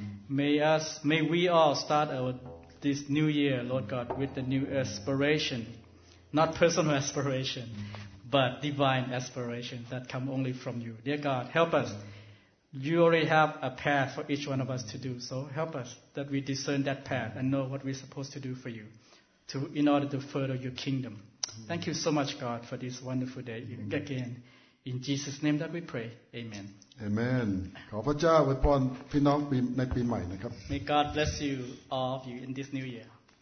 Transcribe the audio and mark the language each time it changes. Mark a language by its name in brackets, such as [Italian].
[English] May we all start this new year, Lord God, with the new aspiration, not personal aspiration, but divine aspiration that come only from you. Dear God, help us. You already have a path for each one of us to do. So help us that we discern that path and know what we're supposed to do for you in order to further your kingdom. Thank you so much, God, for this wonderful day. Again, in Jesus' name that we pray. Amen. Amen. [Thai] ขอพระเจ้าอวยพรพี่น้องในปีใหม่นะครับ [English] May God bless you all of you in this new year.